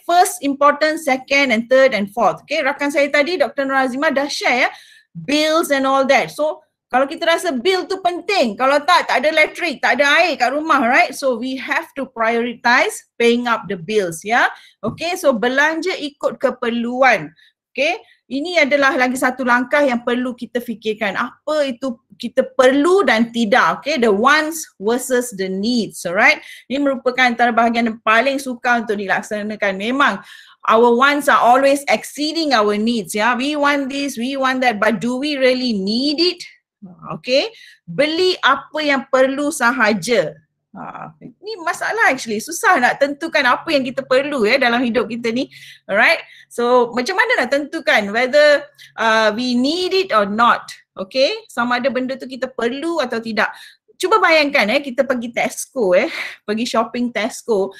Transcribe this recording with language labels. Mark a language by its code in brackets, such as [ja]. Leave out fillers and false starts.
[en] First important, second and third and fourth, okay? [ms] Rakan saya tadi, [en] Dr. [ms] Nur Azimah dah share ya, [en] bills and all that. [ms] So, kalau kita rasa bil tu penting, kalau tak, tak ada elektrik, tak ada air kat rumah, right? [en] So, we have to prioritize paying up the bills, ya? [ms] Yeah? Okay, so belanja ikut keperluan, okay? Ini adalah lagi satu langkah yang perlu kita fikirkan. Apa itu kita perlu dan tidak, okay? [en] The wants versus the needs, [ms] alright? Ini merupakan antara bahagian yang paling sukar untuk dilaksanakan. [en] Memang, our wants are always exceeding our needs, ya? Yeah? We want this, we want that, but do we really need it? [ms] Okay, beli apa yang perlu sahaja. Ini masalah actually, susah nak tentukan apa yang kita perlu ya dalam hidup kita ni. [en] Alright, so [ms] macam mana nak tentukan [en] whether we need it or not. [ms] Okay, sama ada benda tu kita perlu atau tidak. Cuba bayangkan ya, kita pergi Tesco ya, pergi shopping Tesco.